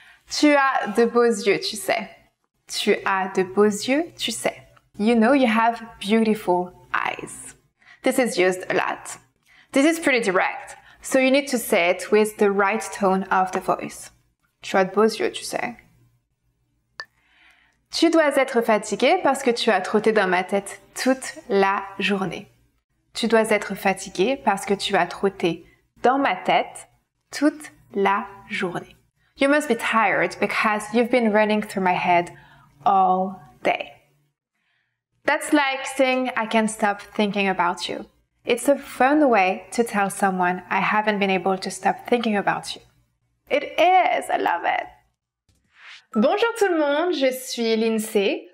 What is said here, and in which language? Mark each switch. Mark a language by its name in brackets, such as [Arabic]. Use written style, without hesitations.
[French] Tu as de beaux yeux, tu sais. Tu as de beaux yeux, tu sais. [English] You know you have beautiful eyes. This is used a lot. This is pretty direct, so you need to say it with the right tone of the voice. [French] Tu as de beaux yeux, tu sais. Tu dois être fatigué parce que tu as trotté dans ma tête toute la journée. Tu dois être fatigué parce que tu as trotté dans ma tête toute la journée. [English] You must be tired because you've been running through my head all day. That's like saying I can stop thinking about you. It's a fun way to tell someone I haven't been able to stop thinking about you. It is, I love it. [French] Bonjour tout le monde, je suis Lindsay.